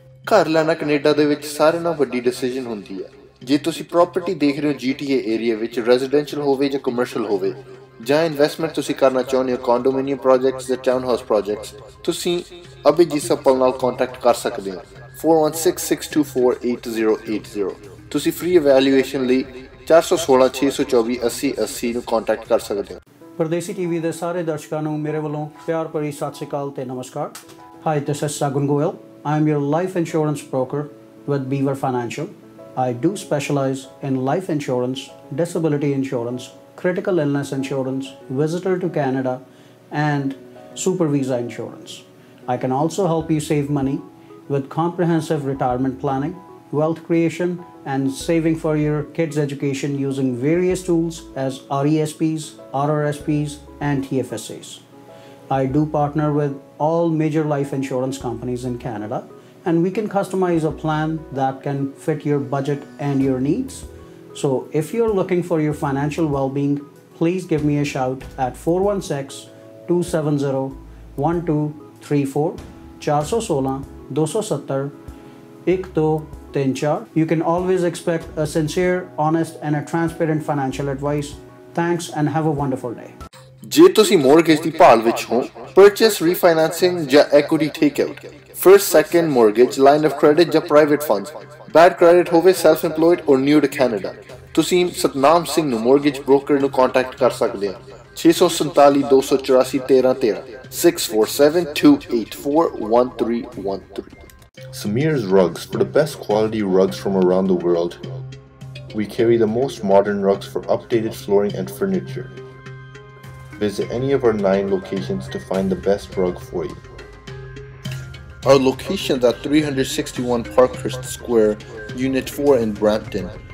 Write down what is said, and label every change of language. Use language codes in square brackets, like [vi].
[pa] ਘਰ ਲੈਣਾ ਕੈਨੇਡਾ ਦੇ ਵਿੱਚ ਸਾਰਿਆਂ ਨਾਲ ਵੱਡੀ ਡਿਸੀਜਨ ਹੁੰਦੀ ਹੈ ਜੇ ਤੁਸੀਂ ਪ੍ਰੋਪਰਟੀ ਦੇਖ ਰਹੇ ਹੋ GTA ਏਰੀਆ ਵਿੱਚ ਰੈਜ਼ੀਡੈਂਸ਼ੀਅਲ ਹੋਵੇ ਜਾਂ ਕਮਰਸ਼ੀਅਲ ਹੋਵੇ ਜਾਂ ਇਨਵੈਸਟਮੈਂਟ ਤੁਸੀਂ ਕਰਨਾ ਚਾਹੁੰਦੇ ਹੋ ਕੰਡੋਮੀਨੀਅਮ ਪ੍ਰੋਜੈਕਟਸ ਜਾਂ ਟਾਊਨ ਹਾਊਸ ਪ੍ਰੋਜੈਕਟਸ ਤੁਸੀਂ ਅਭਿਜੀਤ ਸੱਪਲ ਨਾਲ ਕੰਟੈਕਟ ਕਰ ਸਕਦੇ ਹੋ 416-624-8080 ਤੁਸੀਂ ਫ੍ਰੀ ਅਵੈਲਿਊਏਸ਼ਨ ਲਈ 416-624-8080 ਨੂੰ ਕੰਟੈਕਟ ਕਰ ਸਕਦੇ ਹੋ ਪਰਦੇਸੀ ਟੀਵੀ ਦੇ ਸਾਰੇ ਦਰਸ਼ਕਾਂ ਨੂੰ ਮੇਰੇ ਵੱਲੋਂ ਪਿਆਰ ਭਰੀ ਸਤਿ ਸ਼੍ਰੀ ਅਕਾਲ ਅਤੇ ਨਮਸਕਾਰ [en] Hi this is Sagun Goyal I am your life insurance broker with Beaver Financial. I do specialize in life insurance, disability insurance, critical illness insurance, visitor to Canada, and super visa insurance. I can also help you save money with comprehensive retirement planning, wealth creation, and saving for your kids' education using various tools as RESPs, RRSPs, and TFSAs. I do partner with all major life insurance companies in Canada, and we can customize a plan that can fit your budget and your needs. So if you're looking for your financial well-being, please give me a shout at 416-270-1234-416-270-1234. You can always expect a sincere, honest, and a transparent financial advice. Thanks and have a wonderful day. [pa] ਜੇ ਤੁਸੀਂ mortgage ਦੀ ਭਾਲ ਵਿੱਚ ਹੋ purchase ਰੀਫਾਈਨਾਂਸਿੰਗ ਜਾਂ equity take out first second mortgage line of credit ਜਾਂ private funds bed credit ਹੋਵੇ self employed ਔਰ new to Canada ਤੁਸੀਂ ਸਤਨਾਮ ਸਿੰਘ ਨੂੰ ਮੋਰਗੇਜ ਬ੍ਰੋਕਰ ਨੂੰ ਕੰਟੈਕਟ ਕਰ ਸਕਦੇ ਹੋ 647-284-1313 647-284-1313 [en] Samir's Rugs for the best quality rugs from around the world We carry the most modern rugs for updated flooring and furniture Visit any of our 9 locations to find the best rug for you. Our locations are 361 Parkhurst Square, Unit 4 in Brampton.